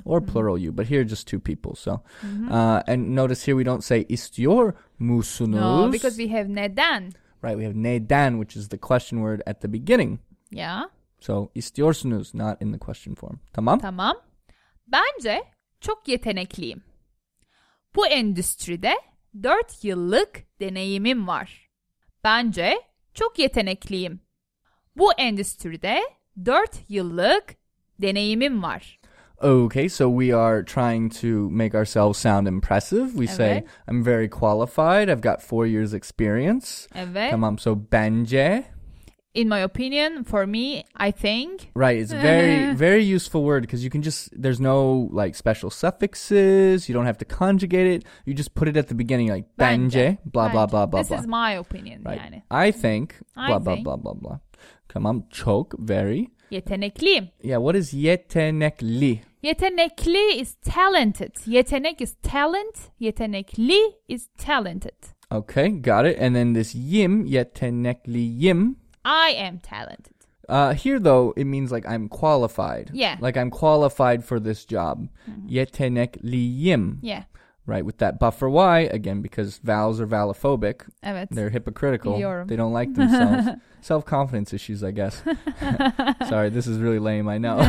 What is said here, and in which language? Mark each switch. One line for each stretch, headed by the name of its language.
English: Or plural mm-hmm. you, but here just two people, so. Mm-hmm. And notice here we don't say istiyormusunuz. No, because we have neden. Right, we have neden, which is the question word at the beginning. Yeah. So, istiyorsunuz, not in the question form. Tamam?
Turkish: Tamam. Bence çok yetenekliyim. Bu endüstride 4 yıllık deneyimim var. Bence çok yetenekliyim. Bu endüstride 4 yıllık deneyimim var.
English: Okay, so we are trying to make ourselves sound impressive. We
Turkish: evet.
English: Say, I'm very qualified. I've got 4 years experience.
Turkish: Evet. Tamam, so bence.
English: in my opinion, for me, I think. Right. It's very, very useful word because you can just, there's no like special suffixes. You don't have to conjugate it. You just put it at the beginning like bence, blah, blah, blah, blah, blah. This blah. Is my opinion. Right. Yani. I think, blah, blah, blah, blah, blah. Tamam, çok, very.
Turkish: Yetenekli.
English: Yeah, what is yetenekli? Yetenekli is talented. Yetenek is talent. Yetenekli is talented. Okay, got it. And then this yim, yetenekli yim. I am talented. Here, though, it means like I'm qualified. Yeah. Like I'm qualified for this job.
Turkish: Mm-hmm. Yetenekli yim.
English: Yeah. Right, with that buffer Y, again, because vowels are vowelophobic.
Turkish: Evet.
English: They're hypocritical. Yorum. They don't like themselves. Self-confidence issues, I guess. Sorry, this is really lame, I know.